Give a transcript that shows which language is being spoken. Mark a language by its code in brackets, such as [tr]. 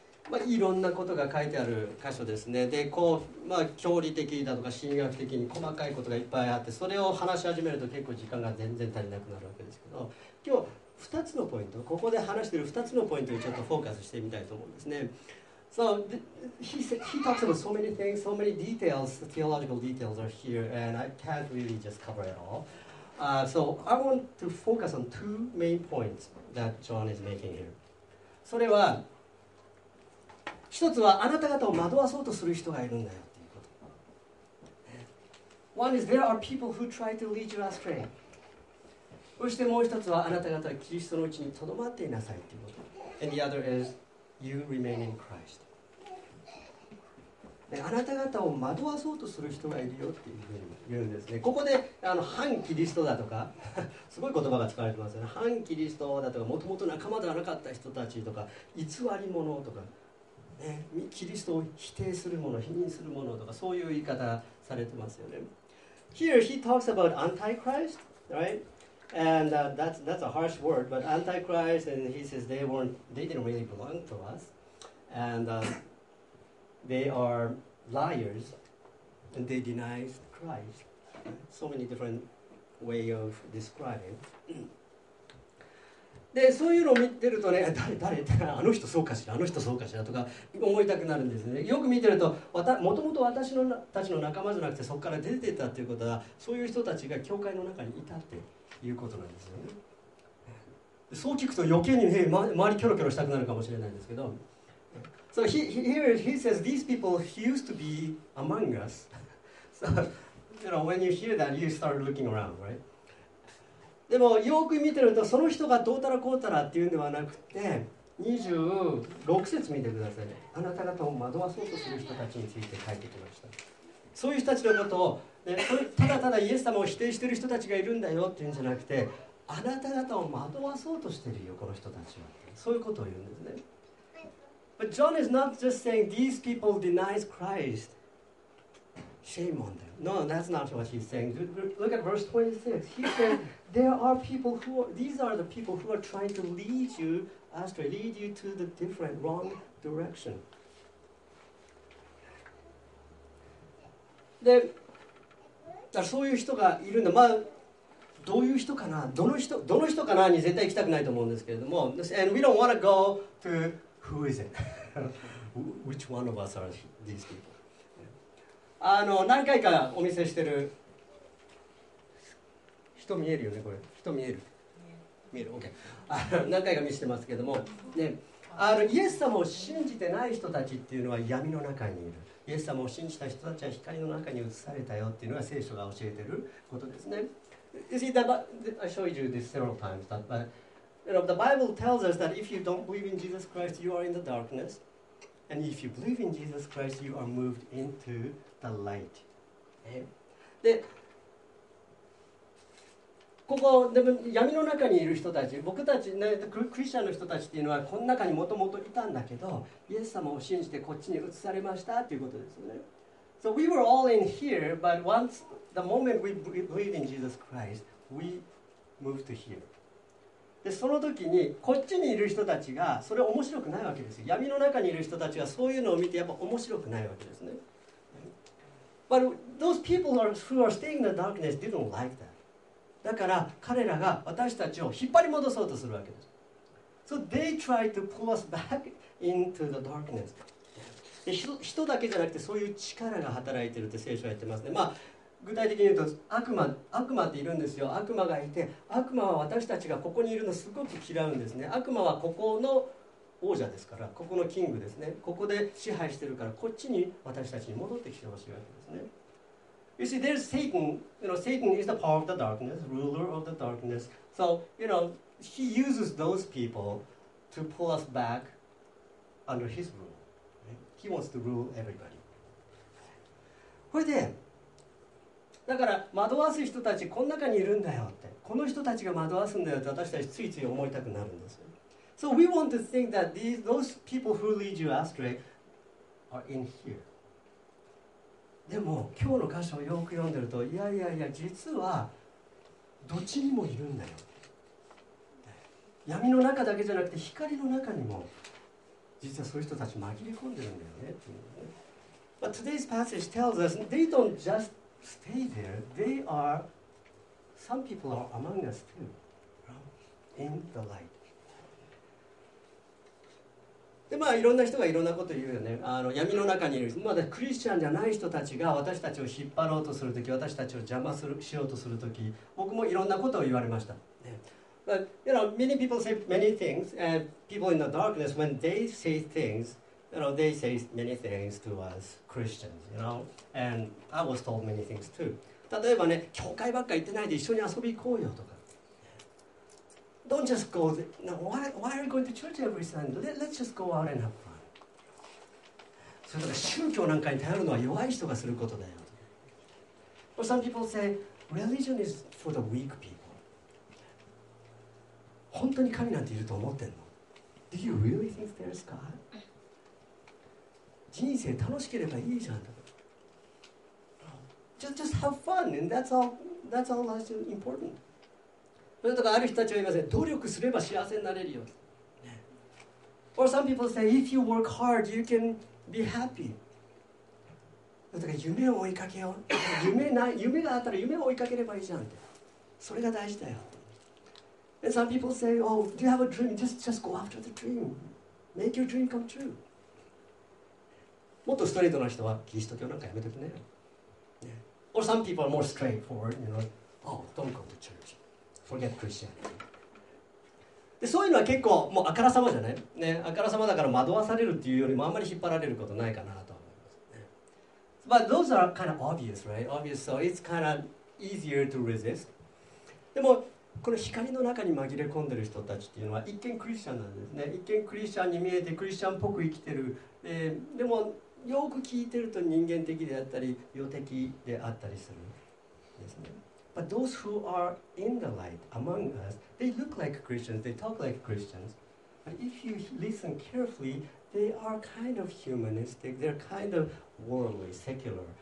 [ja] まあ、いろんなことが書いてある箇所ですね。でこう、まあ、教理的だとか心理学的に細かいことがいっぱいあって、それを話し始めると結構時間が全然足りなくなるわけですけど、今日2つのポイント、ここで話している2つのポイントにちょっとフォーカスしてみたいと思うんですね。 [en] So he said, he talks about so many things, so many details, theological details are here, and I can't really just cover it all. So I want to focus on two main points that John is making here. [ja] それは、一つはあなた方を惑わそうとする人がいるんだよっていうこと。 [en] One is there are people who try to lead you astray. [ja] そしてもう一つはあなた方はキリストのうちにとどまっていなさいっていうこと。 [en] And the other is you remain in Christ. [ja] あなた方を惑わそうとする人がいるよっていうふうに言うんですね。ここで反キリストだとかすごい言葉が使われてますよね。反キリストだとか、もともと仲間ではなかった人たちとか、偽り者とか。キリストを否定するもの、否認するものとか、そういう言い方されてますよね。 [en] Here he talks about Antichrist, right? And that's a harsh word, but Antichrist, and he says they didn't really belong to us, and they are liars, and they deny Christ. So many different way of describing. [ja] でそういうのを見てるとね、誰あの人そうかしら、あの人そうかしらとか思いたくなるんですね。よく見てると、もともと私のたちの仲間じゃなくて、そこから出てたということは、そういう人たちが教会の中にいたっていうことなんですよね。そう聞くと余計に、周りキョロキョロしたくなるかもしれないんですけど、 [en] So he says these people used to be among us. So you know, when you hear that you start looking around, right? [ja] でもよく見てると、その人がどうたらこうたらっていうんではなくて、26節見てください。あなた方を惑わそうとする人たちについて書いてきました。そういう人たちのことを、ね、ただただイエス様を否定している人たちがいるんだよっていうんじゃなくて、あなた方を惑わそうとしているよこの人たちは、そういうことを言うんですね。 [en] But John is not just saying these people denies Christ. Shame on them. No, that's not what he's saying. Look at verse 26. He said There are people who are, these are the people who are trying to lead you astray, lead you to the different wrong direction. [ja] で、だからそういう人がいるんだ。まあ、どういう人かな、どの人かなに絶対行きたくないと思うんですけれども。 [en] And we don't want to go to who is it? Which one of us are these people? [ja] 何回かお見せしてる。人見えるよね、これ。人見える。見える、OK。何回か見せてますけども、ね、イエス様を信じてない人たちっていうのは闇の中にいる。イエス様を信じた人たちは光の中に移されたよっていうのが聖書が教えてることですね。 [en] You see, that, I showed you this several times, that, but you know, the Bible tells us that if you don't believe in Jesus Christ, you are in the darkness. And if you believe in Jesus Christ, you are moved into the light.、ね、で [ja] ここでも闇の中にいる人たち、僕たち、ね、クリスチャンの人たちっていうのはこの中にもともといたんだけど、イエス様を信じてこっちに移されましたということですよね。 [en] So we were all in here, but once the moment we believed in Jesus Christ, we moved to here. [ja] で、その時にこっちにいる人たちがそれ面白くないわけですよ。闇の中にいる人たちはそういうのを見てやっぱ面白くないわけですね。 [en] But those people who are staying in the darkness didn't like that. [ja] だから彼らが私たちを引っ張り戻そうとするわけです。 [en] So they tried to pull us back into the darkness. [ja] で、人だけじゃなくてそういう力が働いてるって聖書は言ってますね。まあ具体的に言うと悪魔っているんですよ。悪魔がいて、悪魔は私たちがここにいるのすごく嫌うんですね。悪魔はここの王者ですから、ここのキングですね。ここで支配してるから、こっちに私たちに戻ってきてほしいわけですね。 [en] You see, there's Satan. You know, Satan is the power of the darkness, ruler of the darkness. So, you know, he uses those people to pull us back under his rule. He wants to rule everybody. [ja] これで、だから惑わす人たち、この中にいるんだよって、この人たちが惑わすんだよって私たちついつい思いたくなるんですよ。 [en] So we want to think that those people who lead you astray are in here. [ja] でも今日の箇所をよく読んでると、いやいやいや、実はどっちにもいるんだよ。闇の中だけじゃなくて光の中にも。実はそういう人たち紛れ込んでるんだよね。 [en] But today's passage tells us they don't just stay there. They are some people are among us too, in the light. [ja] でまあいろんな人がいろんなこと言うよね。あの闇の中にいる、まだクリスチャンじゃない人たちが私たちを引っ張ろうとするとき、私たちを邪魔するしようとするとき、僕もいろんなことを言われました。ね。 [en] But you know, many people say many things, and people in the darkness, when they say things, you know, they say many things to us Christians, you know. And I was told many things too. [ja] 例えばね、教会ばっか行ってないで一緒に遊び行こうよとか。 [en] Don't just go. No, why are you going to church every Sunday? Let's just go out and have fun. [ja] それとか宗教なんかに頼るのは弱い人がすることだよ。 [en] Or some people say religion is for the weak people. [ja] 本当に神なんていると思ってんの? [en] Do you really think there's God? [ja] 人生楽しければいいじゃん。 [en] Just have fun and that's all that's important. [ja] それとかある人たちは言いますね。努力すれば幸せになれるよ。 [en] Or some people say, if you work hard, you can be happy. [ja] それとか夢を追いかけよう。夢があったら夢を追いかければいいじゃん。それが大事だよ。 [en] And some people say, oh, do you have a dream? Just go after the dream. Make your dream come true. [ja] もっとストレートな人は、キリスト教なんかやめてくれよ。 [en] Yeah. Or some people are more straightforward, you know. Oh, don't go to church. Forget Christianity. [ja] で、そういうのは結構、もうあからさまじゃない?ね、あからさまだから惑わされるっていうよりも、あんまり引っ張られることないかなと思います。 [en] Yeah. But those are kind of obvious, right? Obvious, so it's kind of easier to resist. [ja] でも、この光の中に紛れ込んでる人たちっていうのは一見クリスチャンなんですね。一見クリスチャンに見えてクリスチャンっぽく生きてる。でもよく聞いてると人間的であったり予的であったりするですね。 [en] But those who are in the light among us, they look like Christians, they talk like Christians. But if you listen carefully, they are kind of humanistic, they're kind of worldly, secular.